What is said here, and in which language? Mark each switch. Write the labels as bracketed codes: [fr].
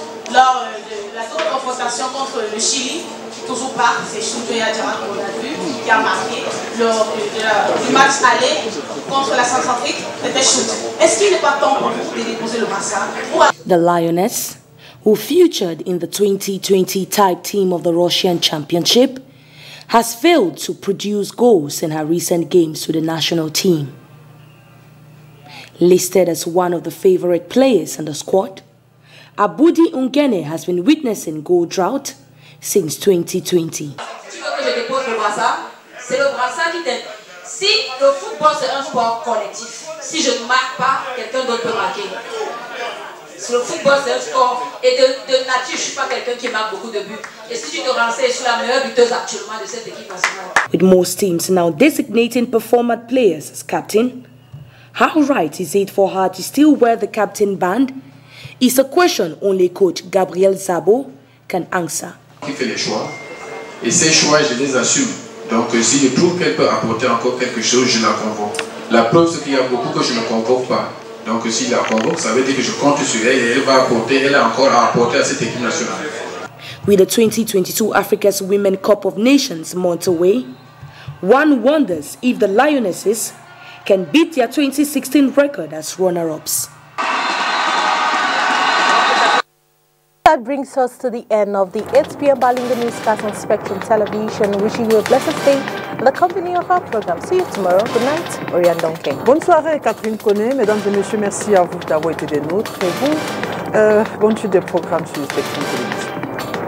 [fr] Lors de la confrontation contre le Chili, toujours pas, c'est Choudouya Diarra qu'on a vu, qui a marqué lors du match aller contre la Centrafrique, c'était Choudou. Est-ce qu'il n'est pas temps pour vous de déposer le brassard? [en] The Lioness, who featured in the 2020 type team of the Russian Championship, has failed to produce goals in her recent games with the national team. Listed as one of the favorite players in the squad, Aboudi Ungene has been witnessing goal drought since 2020. [fr] Tu veux que je dépose le brassard? C'est le brassard qui t'aide. Si le football c'est un sport collectif, si je ne marque pas, quelqu'un d'autre peut marquer. Si le football c'est un sport, et de nature je ne suis pas quelqu'un qui marque beaucoup de buts. Et si tu te renseignes sur la meilleure buteuse actuellement de cette équipe nationale. [en] With most teams now designating performant players as captain, how right is it for her to still wear the captain band? It's a question only coach Gabriel Szabo can answer. [fr] Qui fait les choix? Et ces choix, je les assume. Donc, si je trouve qu'elle peut apporter encore quelque chose, je la convoque. La preuve, c'est qu'il y a beaucoup que je ne convoque pas. Donc, si je la convoque, ça veut dire que je compte sur elle et elle va apporter, elle a encore à apporter à cette équipe nationale. [en] With the 2022 Africa's Women Cup of Nations months away, one wonders if the Lionesses can beat their 2016 record as runner-ups. That brings us to the end of the 8 p.m. Balinga newscast on Spectrum Television. Wishing you a blessed day and the company of our program. See you tomorrow. Good night, Oriane Donkey. [fr] Bonne soirée, Catherine Connet. Mesdames et messieurs, merci à vous d'avoir été des nôtres. Et vous, bonne suite des programmes sur Spectrum Television.